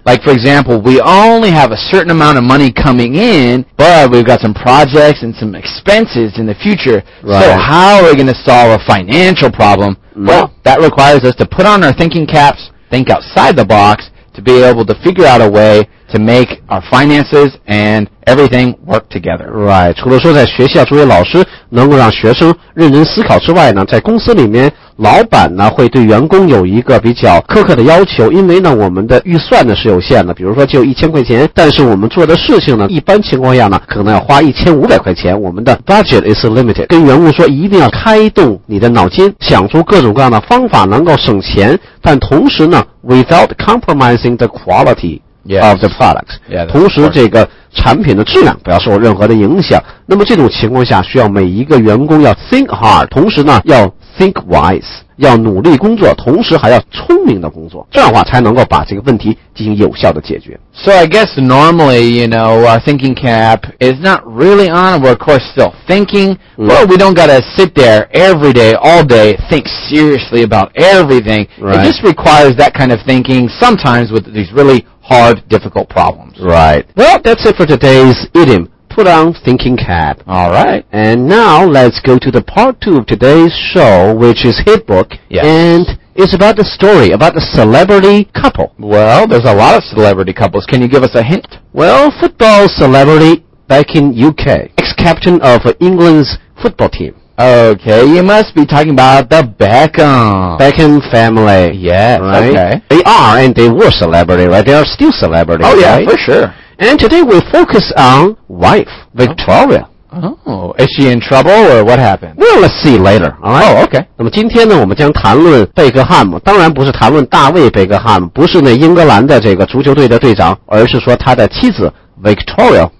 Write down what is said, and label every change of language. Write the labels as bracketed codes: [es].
[en] Like for example, we only have a certain amount of money coming in, but we've got some projects and some expenses in the future. Right. So how are we going to solve a financial problem? Well, that requires us to put on our thinking caps, think outside the box, to be able to figure out a way to make our finances and everything work together. Right. [zh] 除了说在学校作为老师能够让学生认真思考之外呢，在公司里面老板呢会对员工有一个比较苛刻的要求，因为呢我们的预算呢是有限的，比如说就1000块钱，但是我们做的事情呢一般情况下呢可能要花1500块钱，我们的 [en] budget is limited。 [zh] 跟员工说一定要开动你的脑筋，想出各种各样的方法能够省钱，但同时呢 [en] without compromising the quality Yes. of the products. Yeah, [zh] 同时这个产品的质量不要受任何的影响。那么这种情况下需要每一个员工要 [en] think hard, [zh] 同时呢要 [en] think wise, [zh] 要努力工作，同时还要聪明的工作。这样的话才能够把这个问题进行有效的解决。 [en] So I guess normally, you know, our thinking cap is not really on. We're of course still thinking, but we don't gotta sit there every day, all day, think seriously about everything. Right. It just requires that kind of thinking sometimes with these really hard, difficult problems. Right. Well, that's it for today's idiom. Put on thinking cap. All right. And now let's go to the part two of today's show, which is Hit Book. Yes. And it's about the story, about the celebrity couple. Well, there's a lot of celebrity couples. Can you give us a hint? Well, football celebrity back in UK. Ex-captain of England's football team. Okay, you must be talking about the Beckham. Beckham family. Yes, right? Okay. They are, and they were celebrity, right? They are still celebrity, right? Oh, yeah, for sure. And today we focus on wife, Victoria. Oh, is she in trouble or what happened? Well, let's see later, alright? Oh, okay. [zh] 那么今天呢我们将谈论贝克汉姆，当然不是谈论大卫贝克汉姆，不是那英格兰的这个足球队的队长，而是说他的妻子 Victoria.